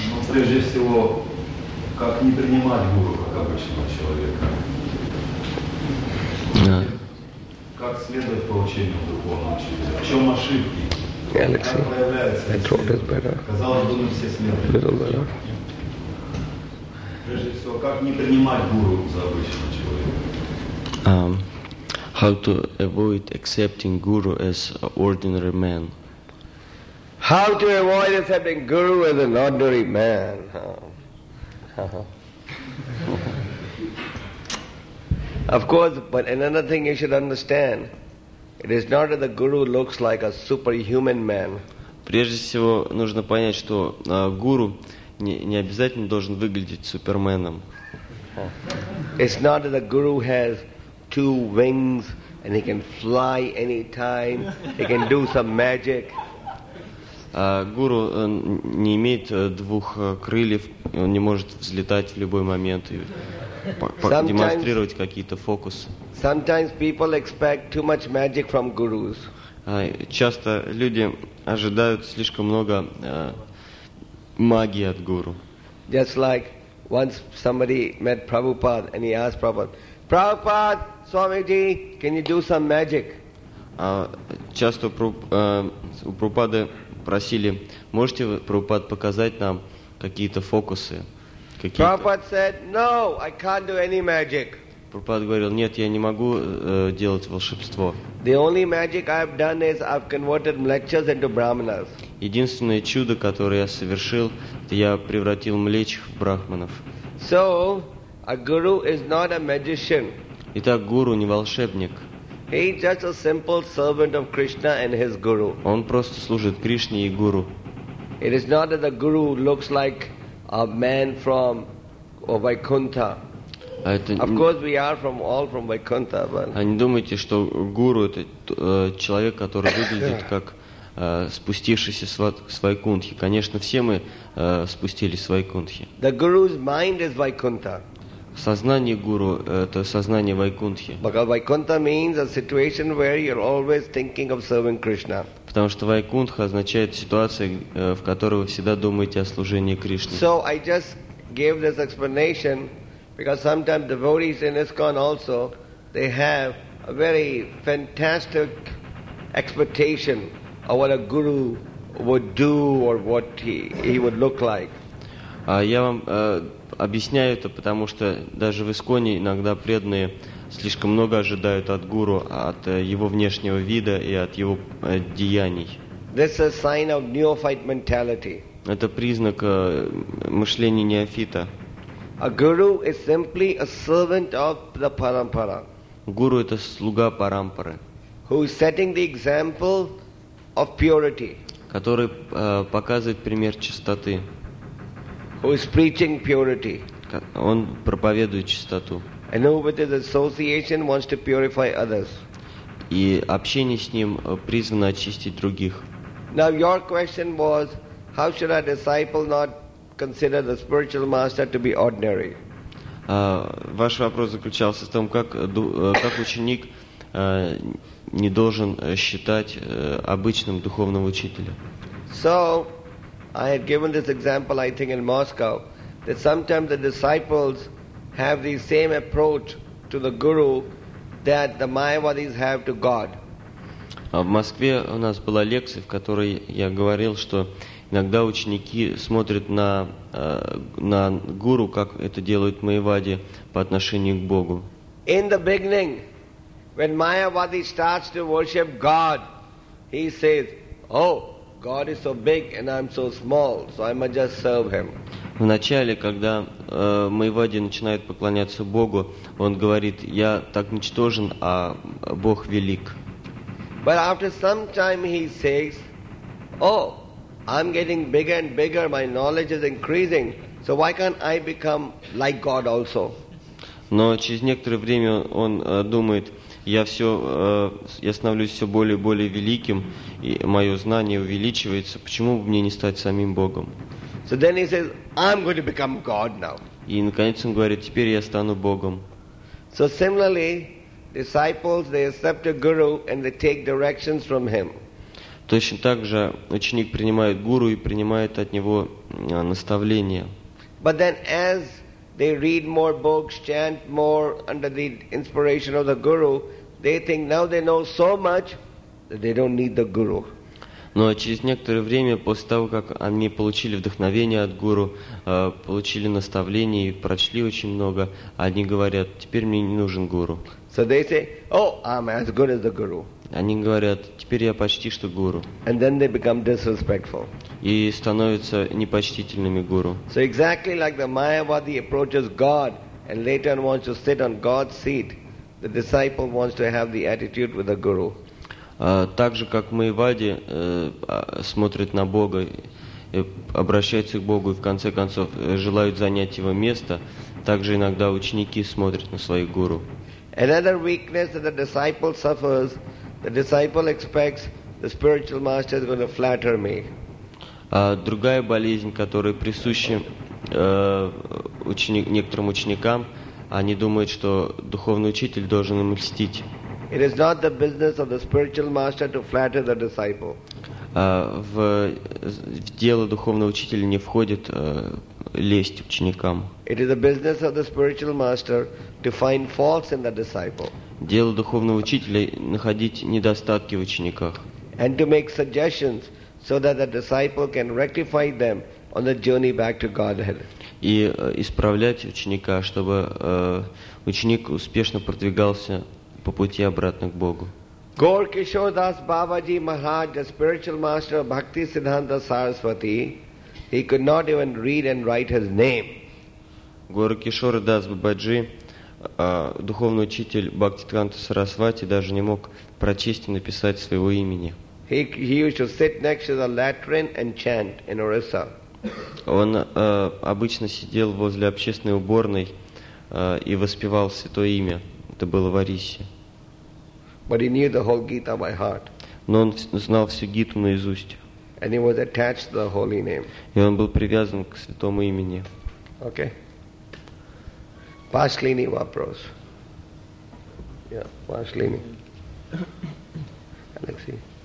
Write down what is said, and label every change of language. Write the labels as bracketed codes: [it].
[ru] Прежде всего, как не принимать гуру как обычного человека? [en] Yeah. [ru] Как следовать поучению духовного учителя? В чем ошибки? [en] Yeah, Алексей, [ru] как проявляется? [en] I thought it better. [ru] Казалось бы, мы все следуем. [en] Little better. [ru] Прежде всего, как не принимать гуру за обычного человека? [en] How to avoid accepting guru as ordinary man? How to avoid accepting guru as an ordinary man? Of course, but another thing you should understand, it is not that the guru looks like a superhuman man. [ru] Прежде всего нужно понять, что гуру не обязательно должен выглядеть суперменом. [en] It's not that the guru has two wings and he can fly anytime. He can do some magic. [ru] Гуру не имеет двух крыльев, он не может взлетать в любой момент и демонстрировать какие-то фокусы. [en] Sometimes people expect too much magic from gurus. [ru] Часто люди ожидают слишком много магии от гуру. [en] Just like once somebody met Prabhupada and he asked Prabhupada, Prabhupada, Swamiji, can you do some magic? [ru] Часто у Прабхупады просили, можете вы, Прабхупад, показать нам какие-то фокусы? [en] Прабхупад said, no, I can't do any magic. [ru] Прабхупад говорил, нет, я не могу делать волшебство. [en] The only magic I've done is I've converted mlechas into brahmanas. [ru] Единственное чудо, которое я совершил, это я превратил млечих в брахманов. [en] So, a guru is not a magician. [ru] Итак, гуру не волшебник. [en] He is just a simple servant of Krishna and his guru. [ru] Он просто служит Кришне и гуру. [en] It is not that the guru looks like a man from Vaikuntha. Of course, we are from all from Vaikuntha, but. [ru] А не думайте, что гуру это человек, который выглядит как спустившийся с Вайкунтхи. Конечно, все мы спустились с Вайкунтхи. [en] The guru's mind is Vaikuntha. [ru] Сознание гуру – это сознание Вайкунтхи. [en] Because Vaikuntha means a situation where you're always thinking of serving Krishna. [ru] Потому что Вайкунтха означает ситуация, в которой вы всегда думаете о служении Кришне. [en] So I just gave this explanation because sometimes devotees in ISKCON also they have a very fantastic expectation of what a guru would do or what he would look like. [ru] Я вам объясняю это, потому что даже в ИСКОНе иногда преданные слишком много ожидают от гуру, от его внешнего вида и от его деяний. [en] This is a sign of neophyte mentality. [ru] Это признак мышления неофита. [en] A guru is simply a servant of the parampara. [ru] Гуру – это слуга парампары. [en] Who is setting the example of purity. [ru] Который показывает пример чистоты. [en] Who is preaching purity? [ru] Он проповедует чистоту. [en] And who with his association wants to purify others? [ru] И общение с ним призвано очистить других. [en] Now your question was, how should a disciple not consider the spiritual master to be ordinary? [ru] Ваш вопрос заключался в том, как ученик не должен считать обычным духовного учителя. [en] So. I had given this example, I think, in Moscow, that sometimes the disciples have the same approach to the guru that the Mayavadis have to God. [ru] В Москве у нас была лекция, в которой я говорил, что иногда ученики смотрят на гуру, как это делают Майявади по отношению к Богу. [en] In the beginning, when Mayavadi starts to worship God, he says, "Oh." God is so big and I'm so small, so I must just serve him. [ru] В начале, когда Майвади начинает поклоняться Богу, он говорит: «Я так ничтожен, а Бог велик». [en] But after some time he says, «Oh, I'm getting bigger and bigger, my knowledge is increasing, so why can't I become like God also?» [ru] Но через некоторое время он думает: я становлюсь все более и более великим, и мое знание увеличивается. Почему бы мне не стать самим Богом? [en] So then he says, I'm going to become God now. [ru] И наконец он говорит: теперь я стану Богом. [en] So similarly, disciples, they accept a guru and they take directions from him. [ru] Точно так же ученик принимает гуру и принимает от него наставления. [en] But then as they read more books, chant more under the inspiration of the guru, they think now they know so much that they don't need the guru. [ru] Но через некоторое время, после того, как они получили вдохновение от гуру, получили наставление и прочли очень много, они говорят: теперь мне не нужен гуру. [en] So they say, oh, I'm as good as the guru. [ru] Они говорят: теперь я почти что гуру. [en] And then they become disrespectful. [ru] И становятся непочтительными гуру. [en] So exactly like the Mayavadi approaches God and later on wants to sit on God's seat, the disciple wants to have the attitude with the guru. [ru] Так же, как Майявади смотрит на Бога, обращается к Богу и в конце концов желают занять его место, так же иногда ученики смотрят на своих гуру. [en] Another weakness that the disciple suffers, the disciple expects the spiritual master is going to flatter me. [ru] Другая болезнь, которая присуща некоторым ученикам, они думают, что духовный учитель должен им льстить. [en] It is not the business of the spiritual master to flatter the disciple. [ru] В дело духовного учителя не входит лесть ученикам. [en] It is the business of the spiritual master to find faults in the disciple. [ru] Дело духовного учителя находить недостатки в учениках. [en] And to make suggestions so that the disciple can rectify them on the journey back to Godhead. [ru] И исправлять ученика, чтобы ученик успешно продвигался по пути обратно к Богу. [en] Гор Кишордас Бабаджи Махарадж, the spiritual master of Bhakti Siddhanta Sarasvati, he could not even read and write his name. [ru] Гор Кишордас Бабаджи, духовный учитель Бхакти Сиддханта Сарасвати, даже не мог прочесть и написать своего имени. [en] He used to sit next to the latrine and chant in Orissa. [ru] Он обычно сидел возле общественной уборной и воспевал святое имя. Это было в Орисе. [en] But he knew the whole Gita by heart. [ru] Но он знал всю Гиту наизусть. [en] And he was attached to the holy name. [ru] И он был привязан к святому имени. [en] Okay. [ru] Последний вопрос. Последний. Алексей.